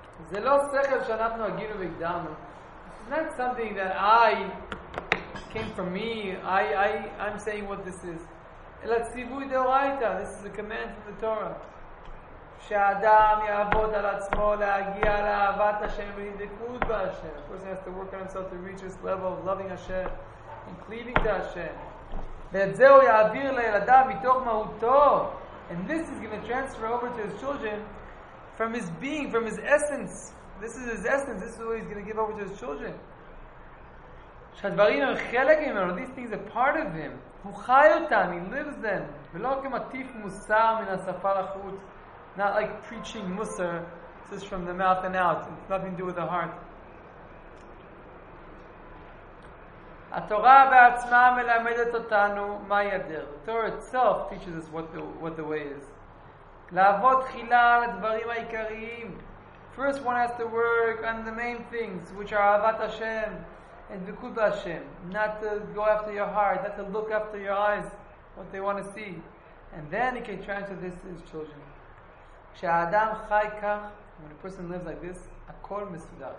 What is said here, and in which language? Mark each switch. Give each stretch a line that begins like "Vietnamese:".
Hebrew: זה לא שכל שאנחנו הגינו והגדרנו.
English: It's not something that I came from me. I'm saying what this is.
Hebrew: אלא ציווי דאורייתא.
English: This is a command from the Torah.
Hebrew: שהאדם יעבוד על עצמו להגיע לאהבת השם ולדבקות בהשם.
English: Of course he has to work on himself to reach this level of loving השם and cleaving to השם.
Hebrew: ואת זה הוא יעביר לילדיו מתוך מהותו.
English: And this is going to transfer over to his children from his being, from his essence. This is his essence. This is what he's going to give over to his children.
Hebrew: שהדברים הם חלק ממנו.
English: These things are part of him.
Hebrew: הוא חי אותם.
English: He lives them.
Hebrew: ולא כמטיף מוסר מן השפה לחוץ.
English: Not like preaching מוסר. This is from the mouth and out. It's nothing to do with the heart.
Hebrew: התורה בעצמה מלמדת אותנו מה ידר.
English: The Torah itself teaches us what the way is.
Hebrew: לעבוד תחילה על הדברים העיקריים.
English: First one has to work on the main things, which are אהבת השם and דבקות בהשם. Not to go after your heart, not to look after your eyes, what they want to see. And then he can transfer this to his children.
Hebrew: כשהאדם חי כך,
English: when a person lives like this,
Hebrew: הכל מסודר.